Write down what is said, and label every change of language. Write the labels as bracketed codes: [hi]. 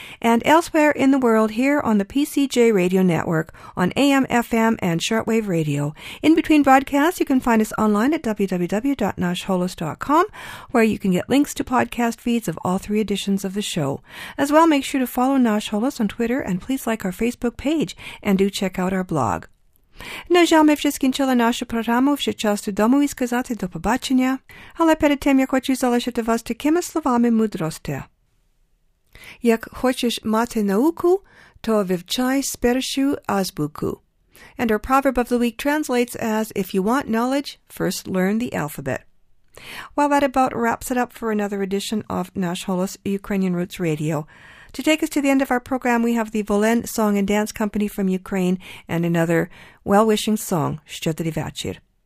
[en] And elsewhere in the world here on the PCJ Radio Network on AM, FM and shortwave radio. In between broadcasts, you can find us online at www.nashholos.com, where you can get links to podcast feeds of all three editions of the show. As well, make sure to follow Nash Holos on Twitter and please like our Facebook page and do check out our blog. [uk] На жаль, ми вже скінчили нашу програму, вже час додому і сказати до побачення. Але перед тим я хочу залишити вас такими словами мудрості. Як хочеш мати науку, то вивчай спершу азбуку. [en] And our proverb of the week translates as, if you want knowledge, first learn the alphabet. Well, that about wraps it up for another edition of Nash Holos Ukrainian Roots Radio. To take us to the end of our program, we have the Volen Song and Dance Company from Ukraine and another well-wishing song, Щедрий вечір.